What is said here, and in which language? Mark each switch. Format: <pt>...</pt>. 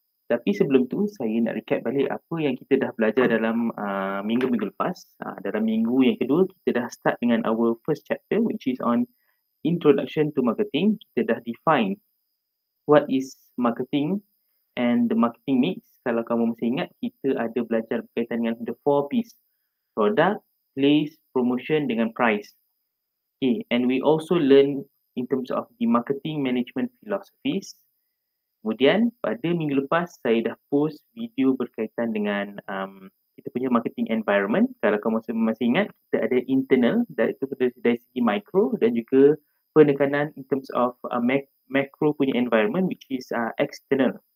<ms>Tapi sebelum tu, saya nak recap balik apa yang kita dah belajar dalam minggu-minggu lepas. Dalam minggu yang kedua, kita dah</ms> <en>start</en> <ms>dengan</ms> <en>our first chapter which is on introduction to marketing.</en> <ms>Kita dah</ms> <en>define what is marketing and the marketing mix.</en> <ms>Kalau kamu masih ingat, kita ada belajar berkaitan dengan</ms> <en>the 4 P's:</en> <ms>product, place, promotion dengan price.</ms> <en>Okay, and we also learn in terms of the marketing management philosophies.</en> <ms>Kemudian pada minggu lepas, saya dah post video berkaitan dengan kita punya marketing environment. Kalau kamu masih ingat, kita ada internal dari segi micro dan juga penekanan</ms> <en>in terms of macro</en> <ms>punya environment</ms> <en>which is external.</en>